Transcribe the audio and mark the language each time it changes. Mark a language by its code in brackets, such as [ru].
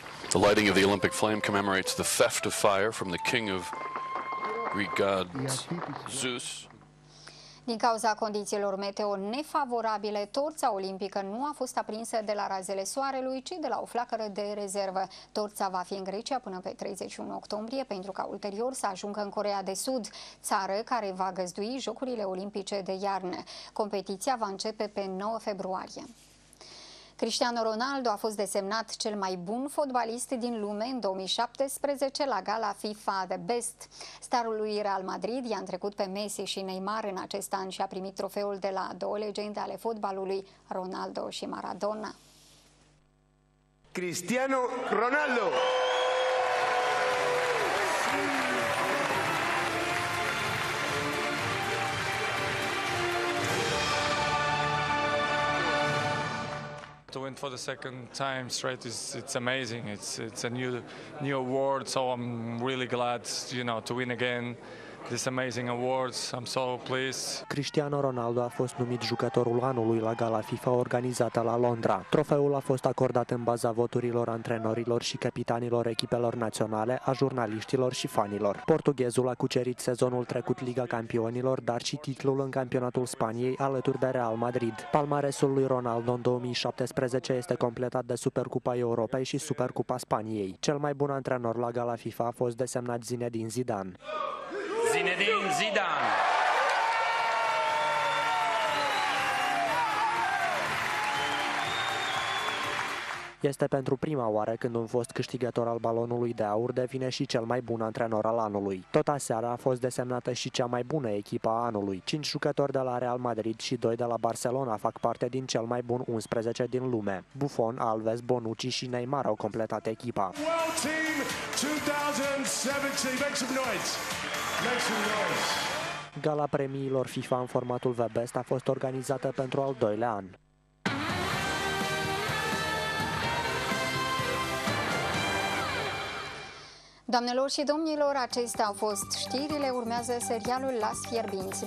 [en] The lighting of the Olympic flame commemorates the theft of fire from the king of Greek gods, Zeus. [ro] Din cauza condițiilor meteo nefavorabile, torța olimpică nu a fost aprinsă de la razele soarelui, ci de la o flacără de rezervă. Torța va fi în Grecia până pe 31 octombrie, pentru ca ulterior să ajungă în Coreea de Sud, țară care va găzdui Jocurile Olimpice de iarnă. Competiția va începe pe 9 februarie. Cristiano Ronaldo a fost desemnat cel mai bun fotbalist din lume în 2017 la gala FIFA The Best. Starul lui Real Madrid i-a întrecut pe Messi și Neymar în acest an și a primit trofeul de la două legende ale fotbalului, Ronaldo și Maradona. Cristiano Ronaldo! [en] To win for the second time straight it's amazing. It's a new award, so I'm really glad, you know, to win again this amazing award. I'm so pleased. [ro] Cristiano Ronaldo a fost numit jucătorul anului la gala FIFA organizată la Londra. Trofeul a fost acordat în baza voturilor antrenorilor și capitanilor echipelor naționale, a jurnaliștilor și fanilor. Portughezul a cucerit sezonul trecut Liga Campionilor, dar și titlul în campionatul Spaniei alături de Real Madrid. Palmaresul lui Ronaldo în 2017 este completat de Supercupa Europei și Supercupa Spaniei. Cel mai bun antrenor la gala FIFA a fost desemnat Zinedine Zidane. Zinedine Zidane. Este pentru prima oară când un fost câștigător al Balonului de Aur devine și cel mai bun antrenor al anului. Tot aseară a fost desemnată și cea mai bună echipă a anului. 5 jucători de la Real Madrid și 2 de la Barcelona fac parte din cel mai bun 11 din lume. Buffon, Alves, Bonucci și Neymar au completat echipa. [en] World Team 2017, make some noise! Make some noise. [ro] Gala premiilor FIFA în formatul The Best a fost organizată pentru al doilea an. Doamnelor și domnilor, acestea au fost știrile. Urmează serialul Las Fierbinți.